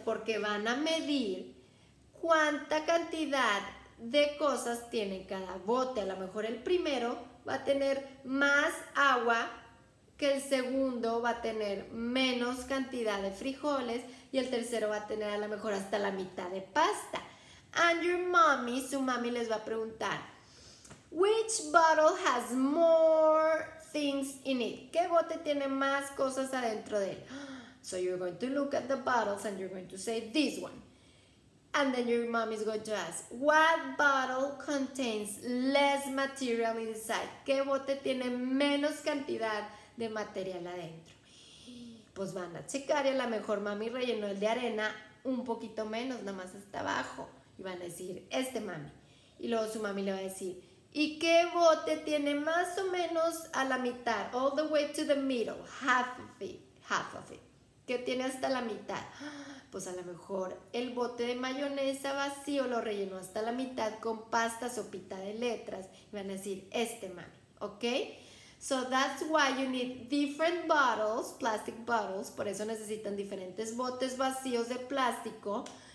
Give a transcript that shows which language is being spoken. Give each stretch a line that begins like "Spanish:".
Spanish: Porque van a medir cuánta cantidad de cosas tiene cada bote. A lo mejor el primero va a tener más agua que el segundo, va a tener menos cantidad de frijoles y el tercero va a tener a lo mejor hasta la mitad de pasta.
English: And your mommy,
Spanish: su mami les va a preguntar,
English: which bottle has more things in it?
Spanish: ¿Qué bote tiene más cosas adentro de él?
English: So you're going to look at the bottles and you're going to say this one. And then your mom is going to ask, what bottle contains less material inside?
Spanish: ¿Qué bote tiene menos cantidad de material adentro? Pues van a checar y a lo mejor mami rellenó el de arena un poquito menos, nada más hasta abajo. Y van a decir, este mami. Y luego su mami le va a decir, ¿y qué bote tiene más o menos a la mitad?
English: All the way to the middle, half of it, half of it.
Spanish: ¿Qué tiene hasta la mitad? Pues a lo mejor el bote de mayonesa vacío lo rellenó hasta la mitad con pasta, sopita de letras. Y van a decir, este mami, ¿ok?
English: So that's why you need different bottles, plastic bottles.
Spanish: Por eso necesitan diferentes botes vacíos de plástico.